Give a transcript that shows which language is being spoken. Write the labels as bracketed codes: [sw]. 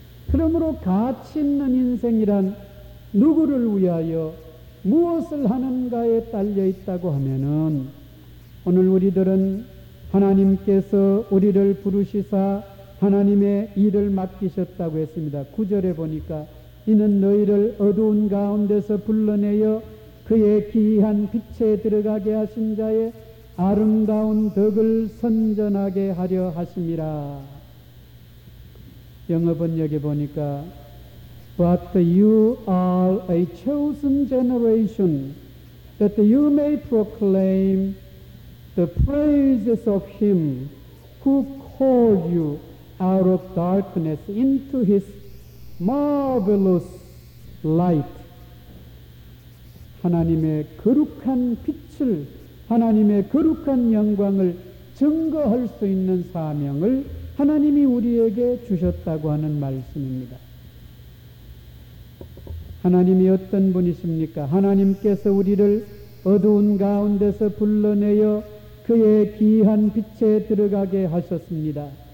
[ko] 그러므로 가치 있는 인생이란 누구를 위하여 무엇을 하는가에 딸려있다고 하면은, 오늘 우리들은 하나님께서 우리를 부르시사 하나님의 일을 맡기셨다고 했습니다. 9절에 보니까 이는 너희를 어두운 가운데서 불러내어 그의 기이한 빛에 들어가게 하신 자의 아름다운 덕을 선전하게 하려 하심이라. 영어 번역에 보니까 [en] But you are a chosen generation that you may proclaim the praises of him who called you out of darkness into his marvelous light. [ko] 하나님의 거룩한 빛을, 하나님의 거룩한 영광을 증거할 수 있는 사명을 하나님이 우리에게 주셨다고 하는 말씀입니다. 하나님이 어떤 분이십니까? 하나님께서 우리를 어두운 가운데서 불러내어 그의 귀한 빛에 들어가게 하셨습니다.